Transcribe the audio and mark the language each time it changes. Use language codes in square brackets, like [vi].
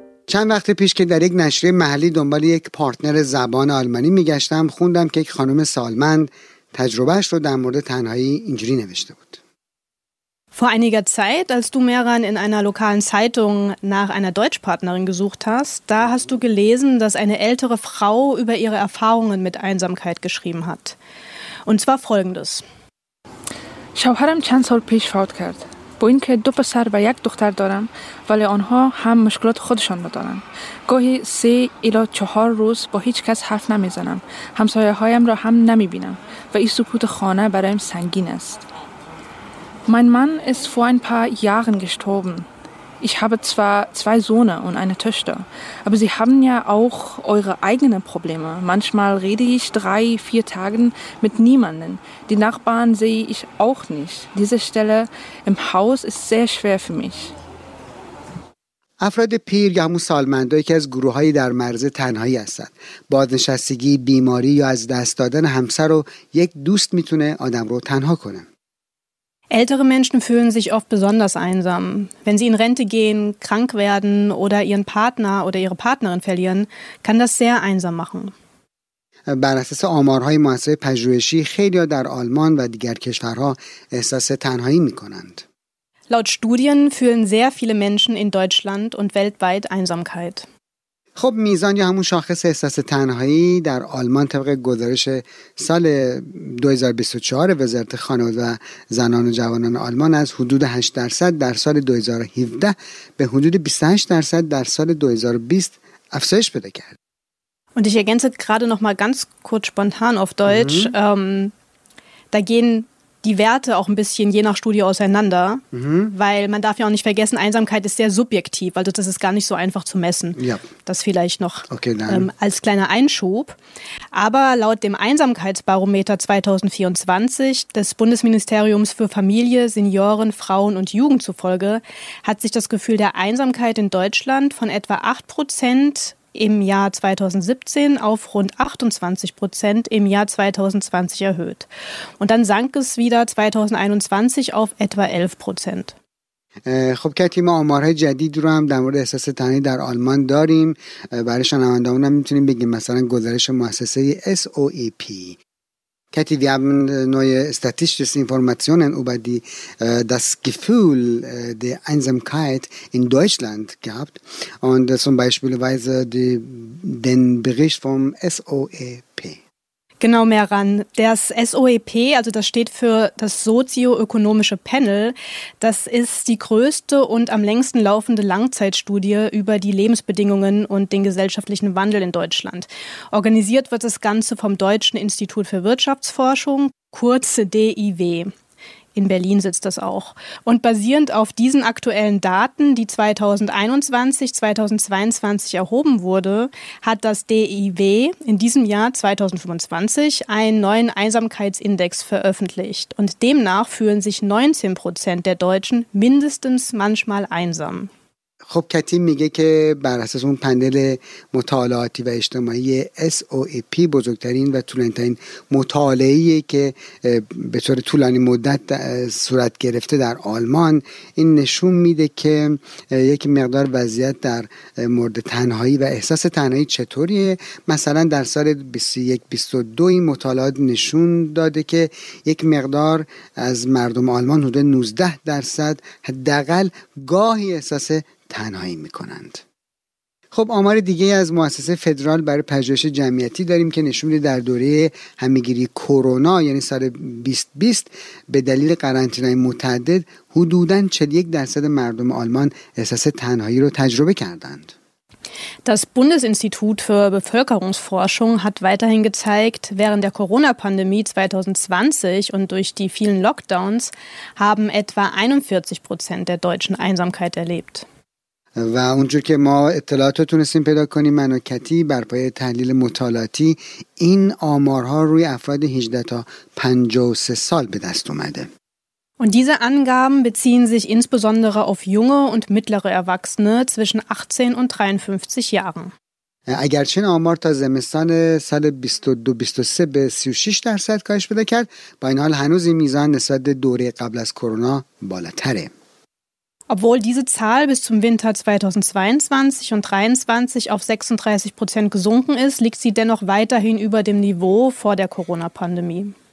[fa] چند وقت پیش که در یک نشریه محلی دنبال یک پارتنر زبان آلمانی میگشتم خوندم که یک خانم سالمند تا تجربهش رو در مورد تنهایی اینجوری نوشته بود. [de] Vor einiger Zeit, als du Mehran in einer lokalen Zeitung nach einer Deutschpartnerin gesucht hast, da hast du gelesen, dass eine ältere Frau über ihre Erfahrungen mit Einsamkeit geschrieben hat. Und zwar folgendes. [fa] شوهرم چند سال پیش فوت کرد. با اینکه دو پسر و یک دختر دارم، ولی آنها هم مشکلات خودشان را دارند. گاهی 3 الی 4 روز با هیچ کس حرف نمیزنم. همسایه هایم را هم نمیبینم و این سکوت خانه برایم سنگین است. [de] Mein Mann ist vor ein paar Jahren gestorben. Ich habe zwar 2 Söhne und eine Töchter, aber sie haben ja auch eure eigenen Probleme. Manchmal rede ich 3-4 Tage mit niemandem. Die Nachbarn sehe ich auch nicht. Diese Stelle im Haus ist sehr schwer für mich. [fa] افراد پیر یا همون سالمندایی که از گروه‌های در مرز تنهایی هستند، بازنشستگی، بیماری یا از دست دادن همسر و یک دوست میتونه آدم رو تنها کنه. [de] Ältere Menschen fühlen sich oft besonders einsam. Wenn sie in Rente gehen, krank werden oder ihren Partner oder ihre Partnerin verlieren, kann das sehr einsam machen. [fa] بر اساس آمارهای مؤسسه پژوهشی خیلی‌ها در آلمان و دیگر کشورها احساس تنهایی می‌کنند. [de] Laut Studien fühlen sehr viele Menschen in Deutschland und weltweit Einsamkeit. [fa] خب میزان یا همون شاخص احساس تنهایی در آلمان طبق گزارش سال 2024 وزارت خانواده و زنان و جوانان آلمان از حدود 8% در سال 2017 به حدود 28% در سال 2020 افزایش پیدا کرد. [de] Und ich ergänze gerade noch mal ganz kurz spontan auf Deutsch. Da gehen die Werte auch ein bisschen je nach Studie auseinander, weil man darf ja auch nicht vergessen, Einsamkeit ist sehr subjektiv, also das ist gar nicht so einfach zu messen. Ja. Das vielleicht noch als kleiner Einschub. Aber laut dem Einsamkeitsbarometer 2024 des Bundesministeriums für Familie, Senioren, Frauen und Jugend zufolge hat sich das Gefühl der Einsamkeit in Deutschland von etwa 8% im Jahr 2017 auf rund 28% im Jahr 2020 erhöht. Und dann sank es wieder 2021 auf etwa 11%. [fa] خب کتی، ما آمارهای جدید رو هم در مورد احساس تنهایی در آلمان داریم. برای شنوندگان هم میتونیم بگیم مثلا گزارش مؤسسه SOEP. [de] کتی، wir haben neue statistische Informationen über das Gefühl der Einsamkeit in Deutschland gehabt. Und zum Beispiel den Bericht vom SOEP. Genau, Mehran. Das SOEP, also das steht für das Sozioökonomische Panel, das ist die größte und am längsten laufende Langzeitstudie über die Lebensbedingungen und den gesellschaftlichen Wandel in Deutschland. Organisiert wird das Ganze vom Deutschen Institut für Wirtschaftsforschung, kurz DIW. In Berlin sitzt das auch. Und basierend auf diesen aktuellen Daten, die 2021, 2022 erhoben wurde, hat das DIW in diesem Jahr 2025 einen neuen Einsamkeitsindex veröffentlicht. Und demnach fühlen sich 19% der Deutschen mindestens manchmal einsam. [fa] خب کتی میگه که بر اساس اون پنل مطالعاتی و اجتماعی SOEP بزرگترین و طولانی‌ترین مطالعه‌ای که به طور طولانی مدت صورت گرفته در آلمان، این نشون میده که یک مقدار وضعیت در مورد تنهایی و احساس تنهایی چطوریه. مثلا در سال 21-22 این مطالعات نشون داده که یک مقدار از مردم آلمان حدود 19% حداقل گاهی احساس تنهایی میکنند. خب آمار دیگه از مؤسسه فدرال برای پژوهش جمعیتی داریم که نشون میده در دوره همگیری کرونا، یعنی سال 2020، به دلیل قرنطینه متعدد حدوداً 41% مردم آلمان احساس تنهایی رو تجربه کردند. [de] Das Bundesinstitut für Bevölkerungsforschung hat weiterhin gezeigt, während der Corona-Pandemie 2020 und durch die vielen Lockdowns haben etwa 41% der Deutschen Einsamkeit erlebt. [fa] و اونجور که ما اطلاعات رو تونستیم پیدا کنیم، من و کتی بر پایه تحلیل مطالعاتی، این آمارها روی افراد 18 تا 53 سال به دست اومده. [de] Und diese Angaben beziehen sich insbesondere auf junge und mittlere Erwachsene zwischen 18 und 53 Jahren. [fa] اگرچه آمار تا زمستان سال 2022-23 به 36% کاهش پیدا کرد، با این حال هنوز این میزان نسبت به دوره قبل از کرونا بالاتره. [de] Obwohl diese Zahl bis zum Winter 2022 und 2023 auf 36% gesunken ist, liegt sie dennoch weiterhin über dem Niveau vor der Corona-Pandemie.